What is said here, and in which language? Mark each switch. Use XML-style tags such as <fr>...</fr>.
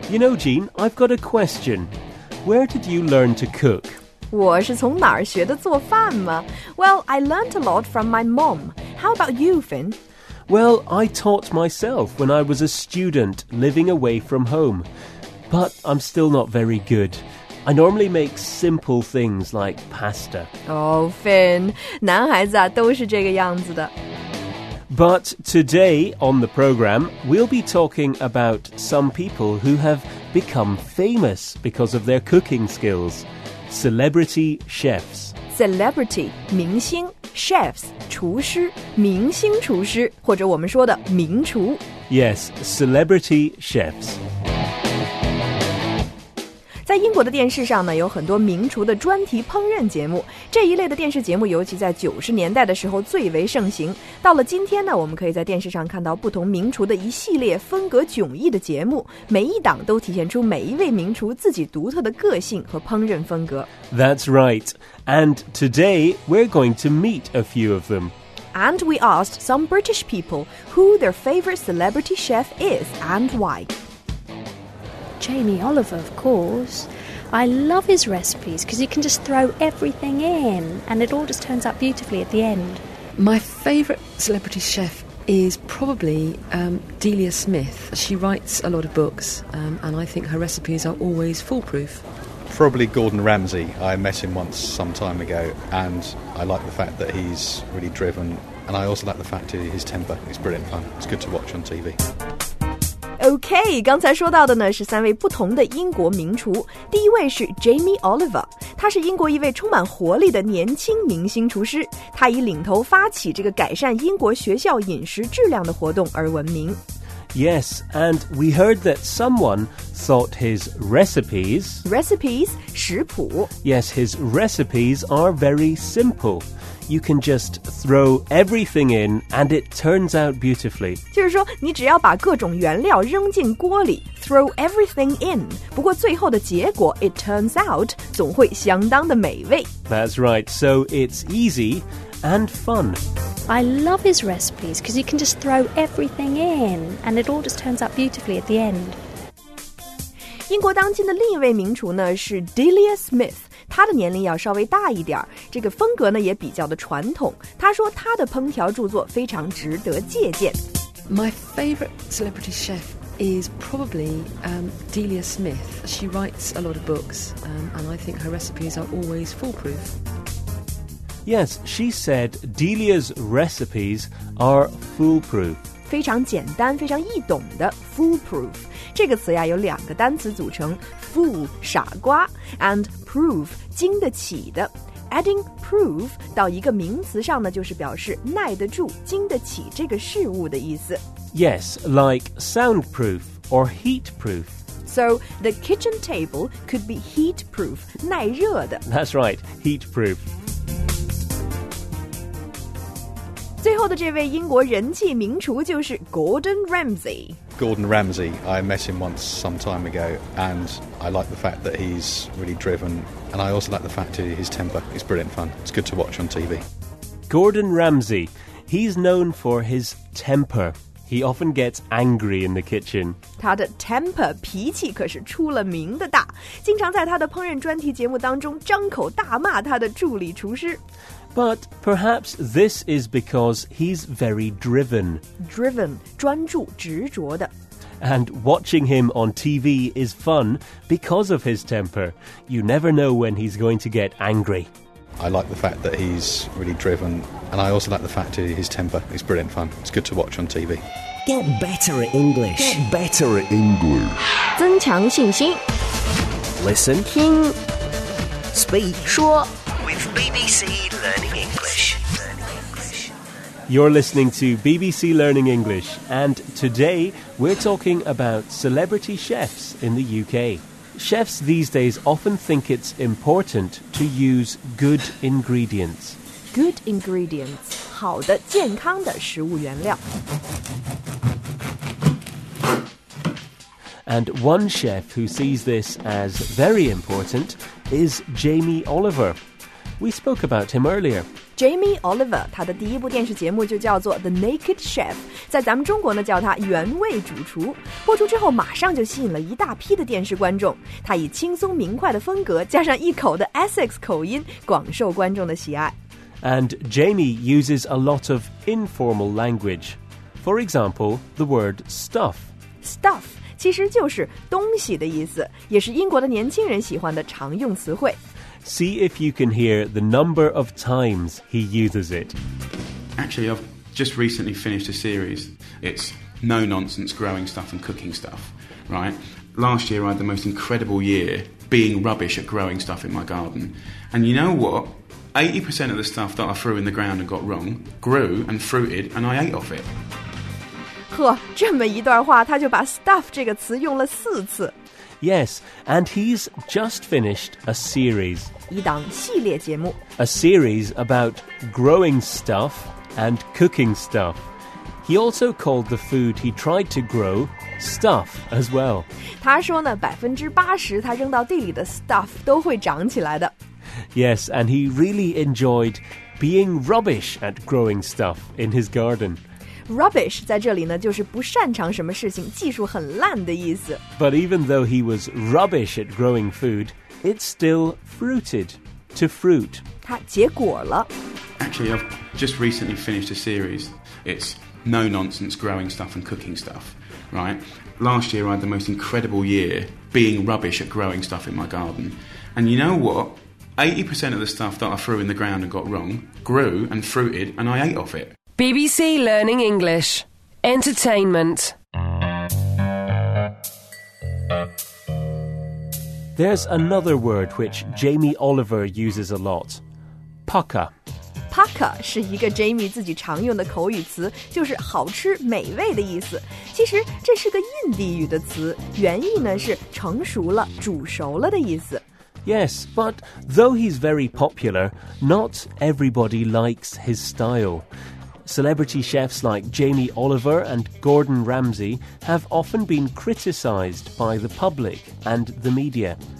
<en>You know, Jean, I've got a question. Where did you learn to cook?</en> <zh>我是从哪儿学的做饭吗</zh> <en>Well, I learned a lot from my mom. How about you, Finn? Well, I taught myself when I was a student living away from home. But I'm still not very good. I normally make simple things like pasta.</en> <zh>Oh, Finn, 男孩子啊都是这个样子的。</zh> <en>But today on the program, we'll be talking about some people who have become famous because of their cooking skills. Celebrity chefs.</en> <zh>Celebrity, 明星 chefs, 厨师明星厨师或者我们说的名厨</zh> <en>Yes, celebrity chefs.</en> <zh>在英国的电视上呢有很多名厨的专题烹饪节目。这一类的电视节目尤其在90年代的时候最为盛行。到了今天呢我们可以在电视上看到不同名厨的一系列风格迥异的节目。每一档都体现出每一位名厨自己独特的个性和烹饪风格。</zh> <en>That's right. And today, we're going to meet a few of them. And we asked some British people who their favorite celebrity chef is and why. Jamie Oliver, of course. I love his recipes because you can just throw everything in and it all just turns out beautifully at the end. My favourite celebrity chef is probably Delia Smith. She writes a lot of books, and I think her recipes are always foolproof. Probably Gordon Ramsay. I met him once some time ago and I like the fact that he's really driven and I also like the fact that his temper is brilliant fun. It's good to watch on TV.</en> <zh>OK, 刚才说到的呢是三位不同的英国名厨。第一位是 Jamie Oliver, 他是英国一位充满活力的年轻明星厨师。他以领头发起这个改善英国学校饮食质量的活动而闻名。</zh> <en>Yes, and we heard that someone thought his recipes... Recipes? 食谱。 Yes, his recipes are very simple. You can just throw everything in and it turns out beautifully.</en> <zh>就是说你只要把各种原料扔进锅里</zh> <en>throw everything in.</en> <zh>不过最后的结果</zh> <en>it turns out,</en> <zh>总会相当的美味。</zh> <en>That's right. So it's easy and fun. I love his recipes because you can just throw everything in and it all just turns out beautifully at the end.</en> <zh>英国当今的另一位名厨呢是 Delia Smith. 他的年龄要稍微大一点这个风格呢也比较的传统他说他的烹调著作非常值得借鉴</zh> <en>My favorite celebrity chef is probably Delia Smith She writes a lot of books and I think her recipes are always foolproof Yes, she said Delia's recipes are foolproof</en> <zh>非常简单非常易懂的 foolproof 这个词呀有两个单词组成 fool 傻瓜 and proof 经得起的 adding proof 到一个名词上呢就是表示耐得住经得起这个事物的意思</zh> <en>Yes, like soundproof or heatproof So the kitchen table could be heatproof 耐热的 That's right, heatproof</en> <zh>最后的这位英国人气名厨就是 Gordon Ramsay.</zh> <en>Gordon Ramsay, I met him once some time ago, and I like the fact that he's really driven, and I also like the fact that his temper is brilliant fun. It's good to watch on TV. Gordon Ramsay, he's known for his temper. He often gets angry in the kitchen.</en> <zh>他的 temper, 脾气可是出了名的大，经常在他的烹饪专题节目当中张口大骂他的助理厨师。</zh> <en>But perhaps this is because he's very driven.</en> <zh>Driven, 专注、执着的。</zh> <en>And watching him on TV is fun because of his temper. You never know when he's going to get angry. I like the fact that he's really driven. And I also like the fact that his temper is brilliant fun. It's good to watch on TV. Get better at English. Get better at English.</en> <zh>增强信心。</zh> <en>Listen.</en> <zh>听。</zh> <en>Speak.</en> <zh>说。</zh> <en>With BBC Learning English. You're listening to BBC Learning English, and today we're talking about celebrity chefs in the UK. Chefs these days often think it's important to use good ingredients. Good ingredients, 好的、健康的食物原料。 And one chef who sees this as very important is Jamie Oliver. We spoke about him earlier.</en> <zh>Jamie Oliver, 他的第一部电视节目就叫做 The Naked Chef, 在咱们中国呢叫他原味主厨。播出之后马上就吸引了一大批的电视观众，他以轻松明快的风格加上一口的 Essex 口音广受观众的喜爱。</zh> <en>And Jamie uses a lot of informal language. For example, the word stuff. Stuff.</en> <zh>其实就是东西的意思，也是英国的年轻人喜欢的常用词汇。</zh> <en>See if you can hear the number of times he uses it. Actually, I've just recently finished a series. It's no-nonsense growing stuff and cooking stuff, right? Last year, I had the most incredible year being rubbish at growing stuff in my garden. And you know what? 80% of the stuff that I threw in the ground and got wrong grew and fruited and I ate off it.</en> <zh>这么一段话他就把 stuff 这个词用了四次</zh> <en>Yes, and he's just finished a series</en> <zh>一档系列节目</zh> <en>A series about growing stuff and cooking stuff He also called the food he tried to grow stuff as well</en> <zh>他说呢 80% 他扔到地里的 stuff 都会长起来的</zh> <en>Yes, and he really enjoyed being rubbish at growing stuff in his garden</en> <zh>Rubbish 在这里呢就是不擅长什么事情技术很烂的意思</zh> <en>But even though he was rubbish at growing food It's still fruited to fruit</en> <zh>他结果了</zh> <en>Actually I've just recently finished a series It's no-nonsense growing stuff and cooking stuff Right? Last year I had the most incredible year Being rubbish at growing stuff in my garden And you know what? 80% of the stuff that I threw in the ground and got wrong Grew and fruited and I ate off it BBC Learning English. Entertainment. There's another word which Jamie Oliver uses a lot. Pucker.</en> <zh>Pucker 是一个 Jamie 自己常用的口语词，就是好吃、美味的意思。其实这是个印地语的词，原意呢是成熟了、煮熟了的意思。</zh> <en>Yes, but though he's very popular, not everybody likes his style. Celebrity chefs like Jamie Oliver and Gordon Ramsay have often been criticized by the public and the media.</en>